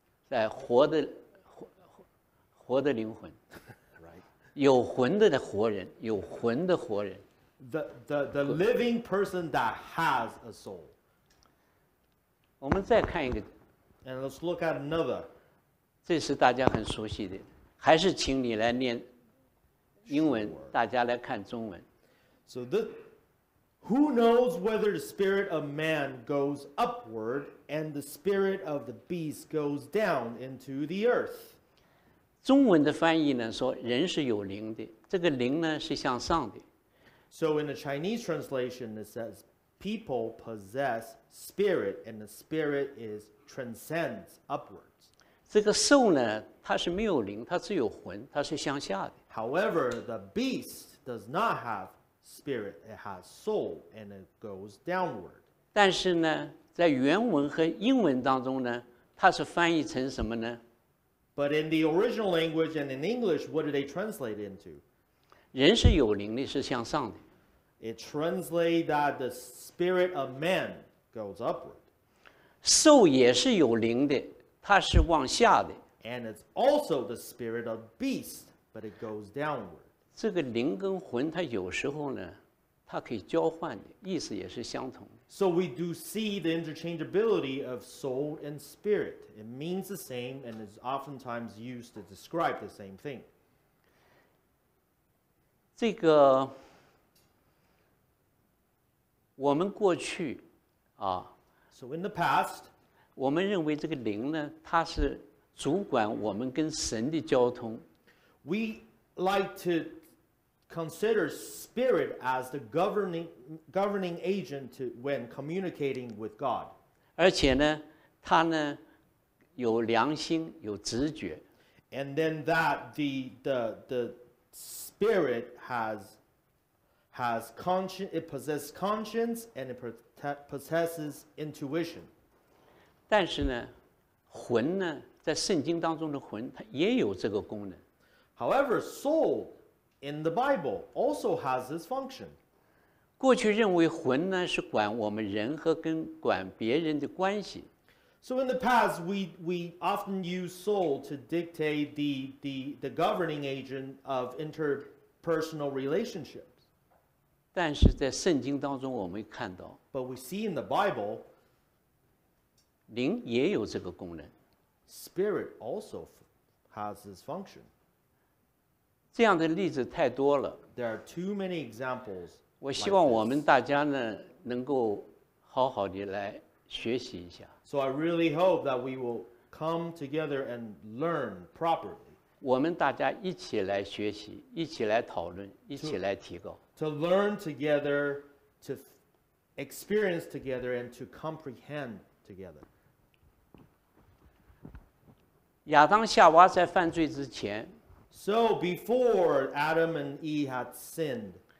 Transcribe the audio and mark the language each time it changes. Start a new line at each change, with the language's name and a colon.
Chinese: 在活的活的灵魂
English: ，right?
Chinese: 有魂的活人，有魂的活人。
English: The living person that has a soul.
Chinese: 我们再看一个。
English: And let's look at another.
Chinese: 这是大家很熟悉的，还是请你来念英文，
English: sure.
Chinese: 大家来看中文。
English: So the who knows whether the spirit of man goes upward and the spirit of the beast goes down into the earth?
Chinese: 中文的翻译呢说人是有灵的，这个灵呢是向上的。
English: So in the Chinese translation, it says, people possess spirit, and the spirit is transcends upwards.
Chinese: 这个兽呢，它是没有灵，它只有魂，它是向下的。
English: However, the beast does not have spirit, it has soul, and it goes downward.
Chinese: 但是呢，在原文和英文当中呢，它是翻译成什么呢？
English: But in the original language and in English, what do they translate into?
Chinese: 人是有灵的，是向上的。
English: It translates that the spirit of man goes upward.
Chinese: 兽也是有灵的，它是往下的。
English: And it's also the spirit of beast, but it goes downward.
Chinese: 这个灵跟魂，它有时候呢，它可以交换的，意思也是相同的。
English: So we do see the interchangeability of soul and spirit. It means the same and is oftentimes used to describe the same thing.
Chinese: 这个我们过去啊
English: ，So in the past，
Chinese: 我们认为这个灵呢，它是主管我们跟神的交通。
English: We like to consider spirit as the governing agent to when communicating with God。
Chinese: 而且呢，它呢有良心，有直觉。
English: And then that the spirit has conscience, it possesses conscience and it possesses intuition.
Chinese: 但是呢，魂呢，在圣经当中的魂，它也有这个功能。
English: However, soul in the Bible also has this function.
Chinese: 过去认为魂呢是管我们人和跟管别人的关系。
English: So in the past, we often use soul to dictate the governing agent of interpersonal relationships.
Chinese: 但是在圣经当中我们看到
English: But we see in the Bible,
Chinese: 灵也有这个功能
English: Spirit also has this function.
Chinese: 这样的例子太多了
English: There are too many examples.
Chinese: 我希望我们大家呢能够好好地来学习一下
English: So I really hope that we will come together and learn properly.
Chinese: 我们大家一起来学习，一起来讨论，一起来提高。
English: To learn together, to experience together, and to comprehend together.
Chinese: 亚当夏娃在犯罪之前
English: So before Adam and Eve had sinned,